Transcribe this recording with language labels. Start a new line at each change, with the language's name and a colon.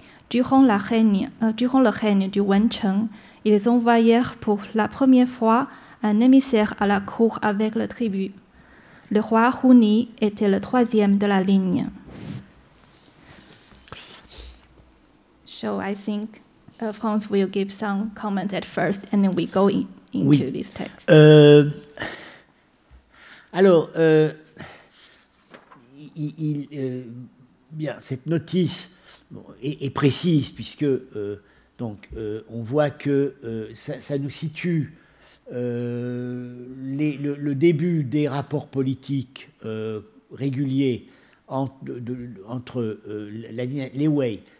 French: Durant le règne du Wen Cheng, ils envoyèrent pour la première fois un émissaire à la cour avec le tribut. Le roi Hu Ni était le troisième de la ligne.
English: So I think France will give some comments at first and then we go in. Into
French: oui.
English: This text.
French: Alors, bien, cette notice est précise puisque on voit que ça nous situe le début des rapports politiques réguliers entre les Wei.